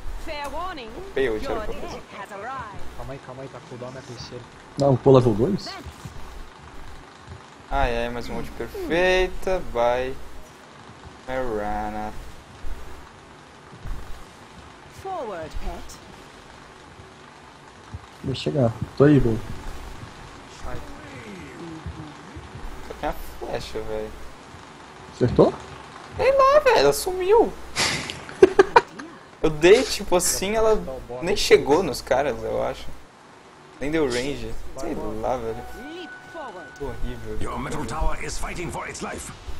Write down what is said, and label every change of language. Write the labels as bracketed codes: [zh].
[en] Fair warning, your day has arrived. [pt] Calma aí, tá cooldown na terceira. Não, pô, level 2? Ai, ah, é, mais um monte perfeita, vai. Marana. [en] Forward, pet. [pt] Vou chegar, tô aí, velho. Sai. Só tem a flecha, velho. Acertou? Ei lá, velho, ela sumiu. Eu dei tipo assim, ela nem chegou nos caras, eu acho. Nem deu range. Sei lá, velho. Horrível. [en] Your metal tower is fighting for its life.